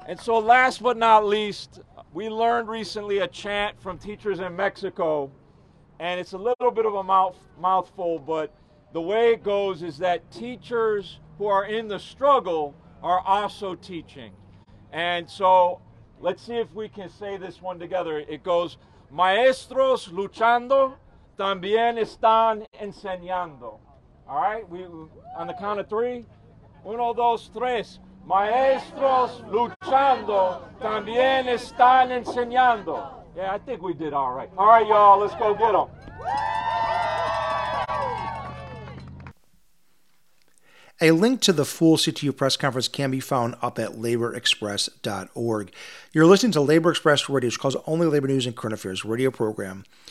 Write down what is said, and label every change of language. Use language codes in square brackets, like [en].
[en] And so last but not least, we learned recently a chant from teachers in Mexico, and it's a little bit of a mouthful, but the way it goes is that teachers who are in the struggle are also teaching. And so let's see if we can say this one together. It goes, [es] maestros luchando también están enseñando. [en] All right, we on the count of three. [es] Uno, dos, tres. Maestros luchando también están enseñando. [en] Yeah, I think we did all right. All right, y'all, let's go get them. A link to the full CTU press conference can be found up at laborexpress.org. You're listening to Labor Express Radio, which calls only labor news and current affairs radio program.